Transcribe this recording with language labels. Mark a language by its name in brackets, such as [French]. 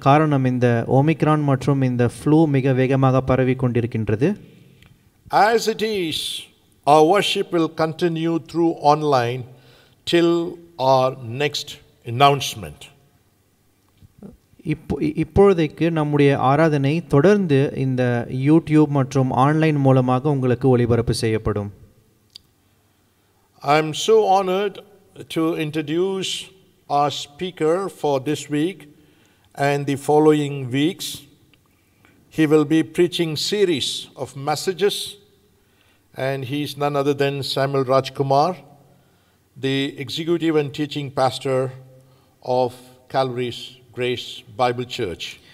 [Tamil] காரணம் இந்த ஒமிக்ரான் மற்றும் இந்த ஃப்ளூ மிக வேகமாக பரவி கொண்டிருக்கின்றது. [English] As it is, our worship will continue through online till our next announcement. [Tamil] இப்போதைக்கு நம்முடைய ஆராதனை தொடர்ந்து இந்த யூடியூப் மற்றும் ஆன்லைன் மூலமாக உங்களுக்கு ஒளிபரப்பு செய்யப்படும். [English] I am so honored to introduce our speaker for this week and the following weeks. He will be preaching series of messages, and he is none other than Samuel Rajkumar, the executive and teaching pastor of Calvary's Grace Bible Church.